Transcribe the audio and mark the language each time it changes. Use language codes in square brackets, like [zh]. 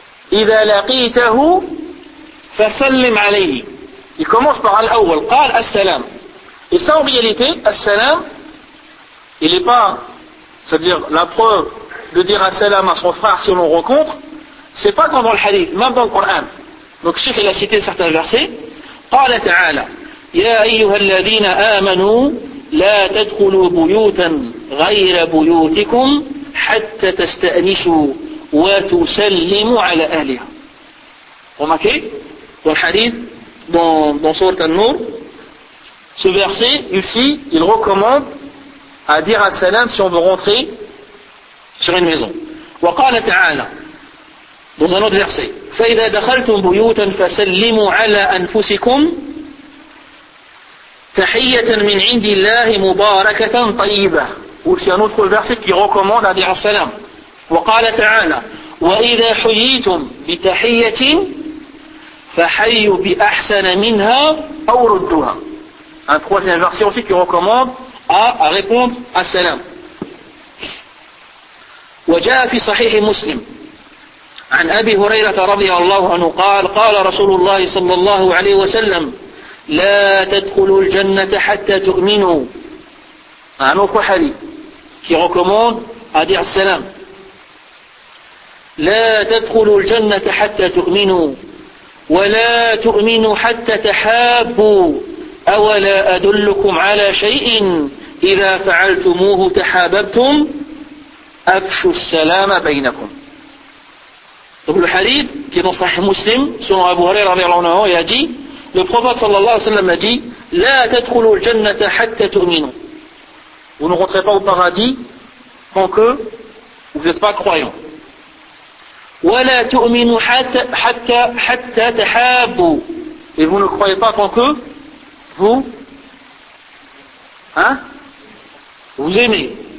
[ar] Idha laqitahu, fasallim alayhi. [fr] Il commence par al-awwal. Qal as-salam. Et ça, en réalité, as-salam, il n'est pas, c'est-à-dire, la preuve de dire assalam à son frère si on le rencontre, c'est pas comme dans le hadith, même dans le Coran. Donc, Cheikh, il a cité certains versets. [ar] قال تعالى يا أيها الذين آمنوا لا تدخلوا بيوتا غير بيوتكم حتى تستأنسوا وتسلموا على أهلها. [fr] Remarquez, dans le hadith, dans Sourate An-Nur, ce verset, ici, il recommande à dire assalam si on veut rentrer sur une maison. [ar] وقال تعالى [fr] dans un autre verset, [ar] فَإِذَا دَخَلْتُمْ بُيُوتًا فَسَلِّمُوا عَلَىٰ أَنفُسِكُمْ تَحِيَّةً مِنْ عِنْدِ اللَّهِ مُبَارَكَةً طَيِّبَةً. [fr] Aussi un autre verset qui recommande à dire salam. [ar] وقال تعالى وَإِذَا حُيِّيتُمْ بِتَحِيَّةٍ فَحَيُّ بِأَحْسَنَ مِنْهَا أَوْ رُدُّهَا. [fr] Un troisième verset aussi qui recommande à répondre à salam. [ar] وجاء في صحيح مسلم عن أبي هريرة رضي الله عنه قال قال رسول الله صلى الله عليه وسلم لا تدخلوا الجنة حتى تؤمنوا. عن أخو حديث كي ركمون أدي السلام. لا تدخلوا الجنة حتى تؤمنوا ولا تؤمنوا حتى تحابوا أولا أدلكم على شيء إذا فعلتموه تحاببتم أفشوا السلام بينكم. [fr] Donc le hadith qui est dans Sahih Muslim, selon Abu Hurayra, il a dit, le prophète sallallahu alayhi wa sallam a dit, « [ar] La tadkhulu al-jannata hatta tu'minu. [fr] » Vous ne rentrez pas au paradis tant que vous n'êtes pas croyant. « [ar] Wa la tu'minu hatta tahabu. [fr] » Et vous ne croyez pas tant que vous, hein, vous aimez.